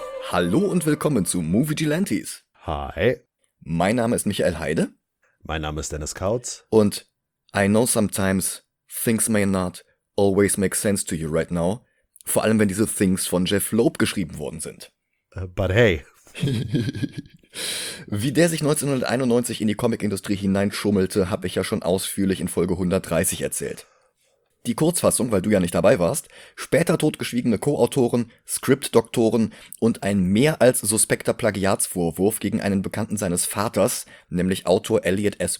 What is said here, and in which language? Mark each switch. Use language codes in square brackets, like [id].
[de] Hallo und willkommen zu Movie-Gilantes. Hi. Mein Name ist Michael Heide. Mein Name ist Dennis Kautz. Und [en] I know sometimes things may not always make sense to you right now. [de] Vor allem, wenn diese Things von Jeff Loeb geschrieben worden sind. [en] But hey. [de] Wie der sich 1991 in die Comic-Industrie hineinschummelte, habe ich ja schon ausführlich in Folge 130 erzählt. Die Kurzfassung, weil du ja nicht dabei warst, später totgeschwiegene Co-Autoren, Script-Doktoren und ein mehr als suspekter Plagiatsvorwurf gegen einen Bekannten seines Vaters, nämlich Autor Elliot S.